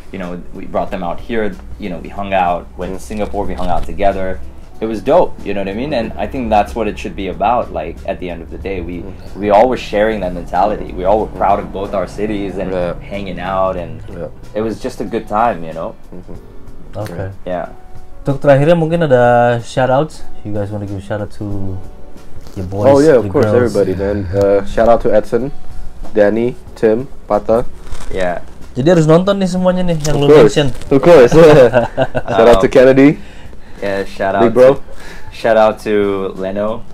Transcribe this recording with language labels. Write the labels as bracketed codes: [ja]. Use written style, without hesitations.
[en] You know, we brought them out here. You know, we hung out. Went to Singapore, we hung out together. It was dope, you know what I mean? And I think that's what it should be about, like, at the end of the day. We all were sharing that mentality. We all were proud of both our cities and hanging out, and it was just a good time, you know? Okay. Yeah. [id] Untuk terakhirnya mungkin ada shout-outs. [en] You guys want to give a shout-out to your boys, yeah, of course, everybody, man. Shout-out to Edson, Danny, Tim, Pata. Yeah. [id] Jadi harus nonton nih semuanya nih, yang lu mention. [en] Of course. Shout-out to Kennedy. Yeah, shout out. Big bro. Shout out to Leno.